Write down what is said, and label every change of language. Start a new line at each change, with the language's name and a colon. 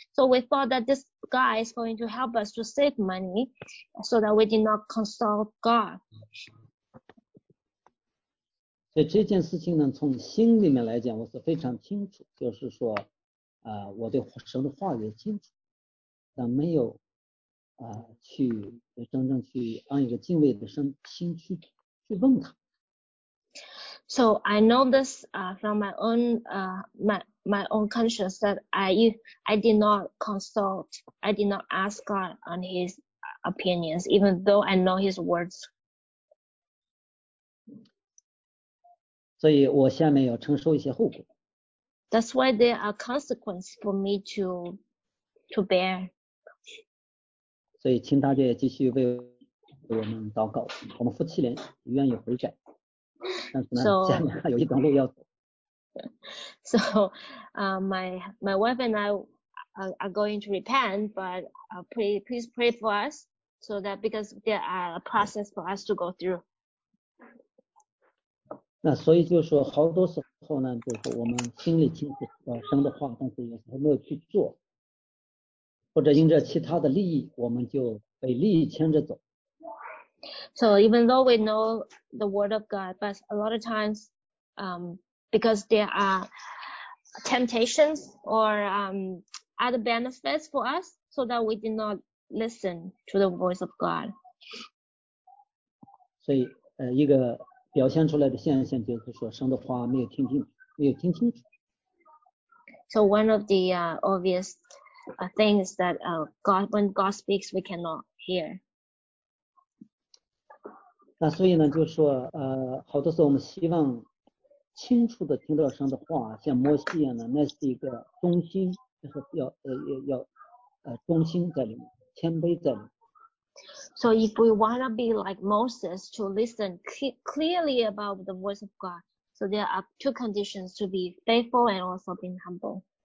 English: So we thought that this guy is going to help us to save money, so that we did not consult God.
Chinese: 所以这件事情呢，从心里面来讲，我是非常清楚，就是说。我对神的话也清楚，但没有去真正去按一个敬畏的心去问他。
English: So I know this from my own conscience that I did not ask God on His opinions, even though I know His words.
Chinese: 所以我下面要承受一些后果。
English: That's why there are consequences for me to bear.
Chinese: 所以请大家继续为我们祷告，我们夫妻俩愿意悔改，但是呢，下面还有一段路要走。
English: So my wife and I are going to repent, but please pray for us so that because there are a process for us to go through.
Chinese: 那所以就是说好多时候呢就是我们心里清楚生的话但是有时候没有去做或者因着其他的利益我们就被利益牵着走。
English: So even though we know the word of God, but a lot of times, because there are temptations or other benefits for us, so that we did not listen to the voice of God.
Chinese: 所以一个表现出来的现象就是说神的话没有听清楚，没有听清楚。
English: So one of the obvious things that God, when God speaks, we cannot hear.
Chinese: 那所以呢，就是说好多时候我们希望清楚的听到神的话，像摩西一样的，那是一个中心，就是要中心在里面，谦卑在里面。
English: So if we want to be like Moses to listen clearly about the voice of God, so there are two conditions to be faithful and also being humble.